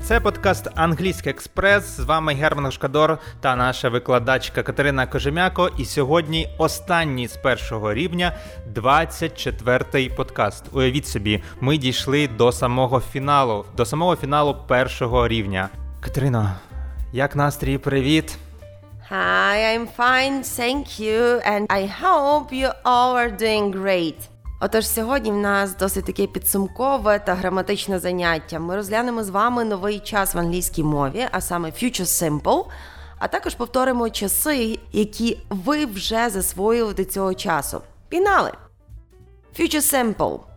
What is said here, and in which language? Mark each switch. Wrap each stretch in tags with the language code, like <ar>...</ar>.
<uk>Це подкаст «Англійський експрес». З вами Герман Шкадор та наша викладачка Катерина Кожем'яко. І сьогодні останній з першого рівня, 24-й подкаст. Уявіть собі, ми дійшли до самого фіналу. До самого фіналу першого рівня. Катерина, як настрій? Привіт!</uk> <en>Hi, I'm fine, thank you, and I hope you all are doing great.</en> <uk>Отож, сьогодні в нас досить таке підсумкове та граматичне заняття. Ми розглянемо з вами новий час в англійській мові, а саме Future Simple, а також повторимо часи, які ви вже засвоїли до цього часу. Пінали! Future Simple.</uk>